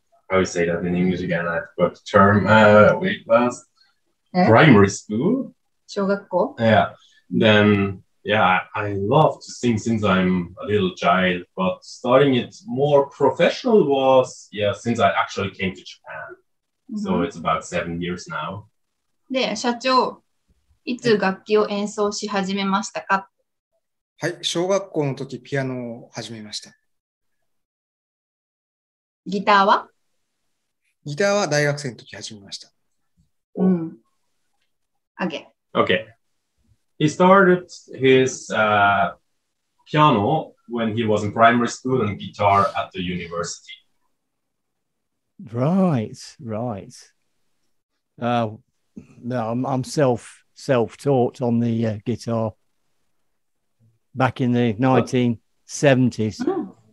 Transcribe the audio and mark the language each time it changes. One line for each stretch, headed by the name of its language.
English: I always say that in English again, I forgot the term, primary school.
Japanese: 小学校?
English: Yeah. Then, yeah, I love to sing since I'm a little child, but starting it more professional was, yeah, since I actually came to Japan. Mm-hmm. So it's about 7 years now.
Japanese: で、社長、いつ楽器を演奏し始めましたか? はい、小学校の時ピアノを始めました。ギターは? ギターは大学生の時始めました。
English: うん。Okay. Okay. He started his piano when he was in primary school and guitar at the university. Right. I'm self-taught on the guitar back in the 1970s.